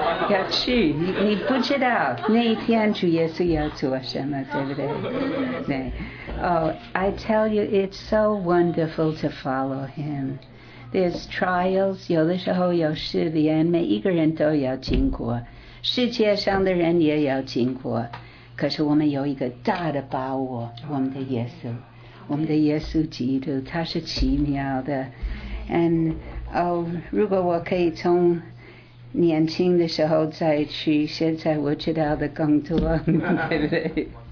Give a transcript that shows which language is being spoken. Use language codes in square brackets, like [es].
[zh] 要去，你不知道那一天主耶稣要做什么，对不对？对。 [en] Oh, I tell you, it's so wonderful to follow him. There's trials, [zh] 有的时候有试炼，每一个人都要经过，世界上的人也要经过，可是我们有一个大的把握，我们的耶稣，我们的耶稣基督，他是奇妙的。 And,、oh, 如果我可以从年轻的时候再去，现在我知道的更多，对不对？